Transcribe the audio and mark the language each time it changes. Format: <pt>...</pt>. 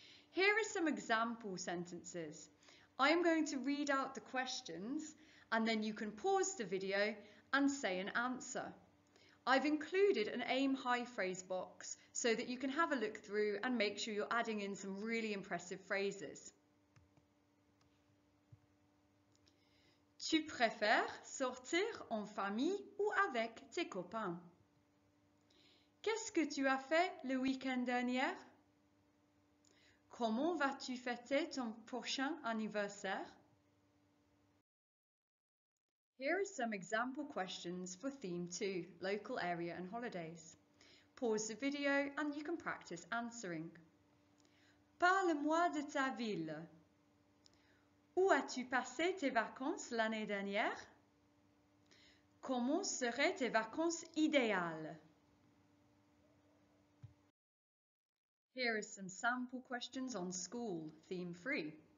<en>Here are some example sentences. I am going to read out the questions and then you can pause the video and say an answer. I've included an aim high phrase box so that you can have a look through and make sure you're adding in some really impressive phrases.</en> <fr>Tu préfères sortir en famille ou avec tes copains? Qu'est-ce que tu as fait le week-end dernier? Comment vas-tu fêter ton prochain anniversaire?</fr> <en>Here are some example questions for theme 2, local area and holidays. pause the video and you can practice answering.</en> <fr>Parle-moi de ta ville. Où as-tu passé tes vacances l'année dernière? Comment seraient tes vacances idéales?</fr> <en>Here are some sample questions on school, theme 3.</en>